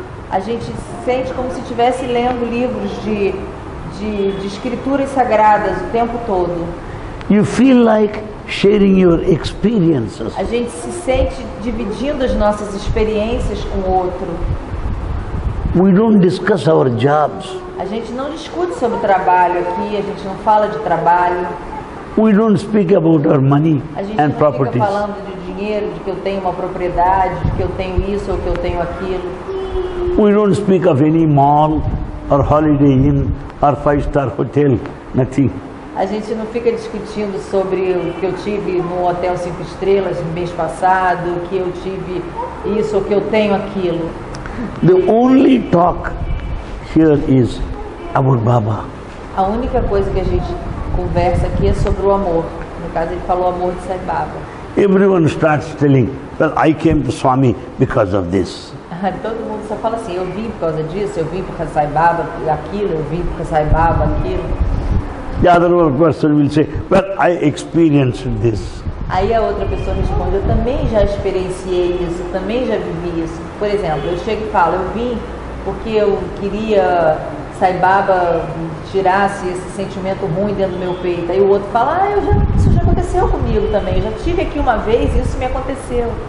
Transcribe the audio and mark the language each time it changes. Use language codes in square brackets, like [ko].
[pt] A gente sente como se estivesse lendo livros de escrituras sagradas o tempo todo. [en] You feel like sharing your experiences. [pt] A gente se sente dividindo as nossas experiências com o outro. [en] We don't discuss our jobs. [pt] A gente não discute sobre trabalho aqui, a gente não fala de trabalho. [en] We don't speak about our money and properties. [pt] A gente não fica falando de dinheiro, de que eu tenho uma propriedade, de que eu tenho isso ou que eu tenho aquilo. [en] We don't speak of any mall or Holiday Inn or five-star hotel, nothing. [pt] A gente não fica discutindo sobre o que eu tive no hotel cinco estrelas no mês passado, que eu tive isso, que eu tenho aquilo. [en] The only talk here is about Baba. [pt] A única coisa que a gente conversa aqui é sobre o amor. No caso, ele falou amor de Sai Baba. [en] Everyone starts telling, well, I came to Swami because of this. [pt] Todo mundo só fala assim, eu vim por causa disso, eu vim por causa de Sai Baba, aquilo, eu vim por causa de Sai Baba, aquilo. [en] The other person will say, well, I experienced this. [pt] Aí a outra pessoa responde, eu também já experienciei isso, também já vivi isso. Por exemplo, eu chego e falo, eu vim porque eu queria que Sai Baba tirasse esse sentimento ruim dentro do meu peito. Aí o outro fala, ah, eu já, isso já aconteceu comigo também, eu já tive aqui uma vez e isso me aconteceu.